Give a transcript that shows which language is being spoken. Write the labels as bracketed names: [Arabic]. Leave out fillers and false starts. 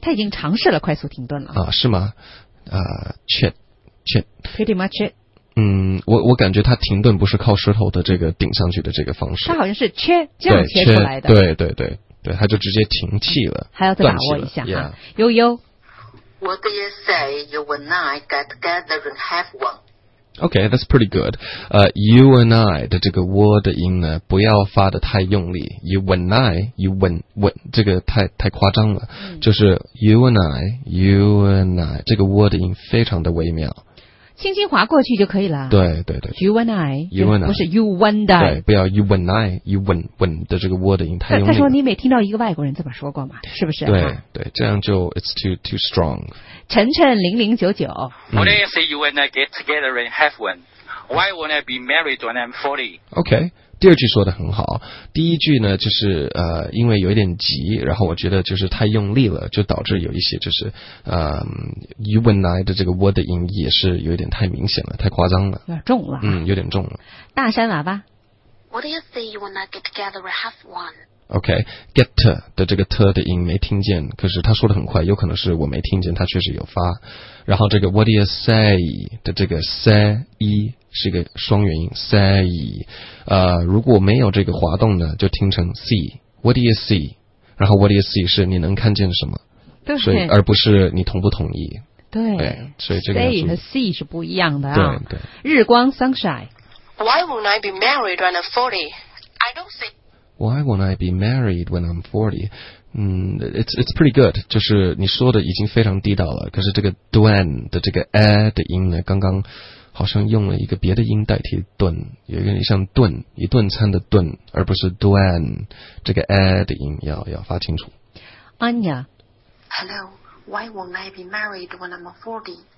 [Chinese] 他已经尝试了快速停顿了啊？是吗？Chit [English] pretty much it。 [Chinese] 我感觉他停顿不是靠舌头的这个顶上去的这个方式。他好像是切这样切出来的。对对对对，他就直接停气了。还要再把握一下哈。悠悠 [English] ，What do you say? You and I get together and have one. Okay, that's pretty good. You and I [Chinese] 的这个 wo 的音呢，不要发得太用力。 [English] You and I, you and wo [Chinese] 这个太夸张了。就是 [English] you and I, you and I [Chinese] 这个 wo 的音非常的微妙，轻轻划过去就可以了。对对对 [English] ，you and I, you and I 不是 you and I， [Chinese] 对，不要 [English] you and I, you and wo [Chinese] 的这个 wo 的音太用力了。他说你没听到一个外国人这么说过吗？是不是？对对，这样就 [English] it's too strong。 [Chinese] 晨晨0099 [English] What do you say you and I get together and have one? Why won't I be married when I'm 40? [Chinese] Okay, 第二句说得很好。第一句呢，就是因为有一点急，然后我觉得就是太用力了，就导致有一些就是 [English] you and I [Chinese] 的这个 word 的音也是有一点太明显了，太夸张了，有点重了。有点重了。大山娃娃 [English] What do you say you and I get together and have one? [Chinese] OK，get、okay, 的这个 t 的音没听见，可是他说的很快，有可能是我没听见，他确实有发。然后这个 [English] what do you say [Chinese] 的这个 say 是一个双元音 say， 如果没有这个滑动呢，就听成 see。 [English] What do you see？ [Chinese] 然后 [English] what do you see [Chinese] 是你能看见什么，对，所以而不是你同不同意。对，所以这个 say 和 see 是不一样的啊。对对，日光 sunshine。 [English] Why won't I be married when I'm 40？ I don't see。 Why won't I be married when I'm 40? It's pretty good. [Chinese] 就是你说的已经非常地道了，可是这个 duan 的这个 a 的音呢，刚刚好像用了一个别的音代替顿，有一个像顿，一顿餐的顿，而不是 duan， 这个 a 的音要发清楚。 [English] Anya. Hello, why won't I be married when I'm 40?